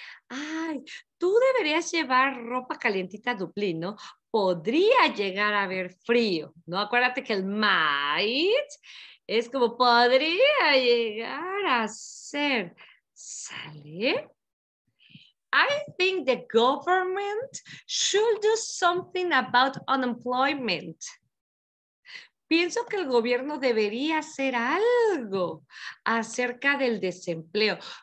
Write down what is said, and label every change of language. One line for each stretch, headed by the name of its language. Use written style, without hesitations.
Spanish: Ay, tú deberías llevar ropa calientita a Dublín, ¿no? Podría llegar a haber frío, ¿no? Acuérdate que el might es como podría llegar a ser. ¿Sale?
English: I think the government should do something about unemployment.
Spanish: Pienso que el gobierno debería hacer algo acerca del desempleo.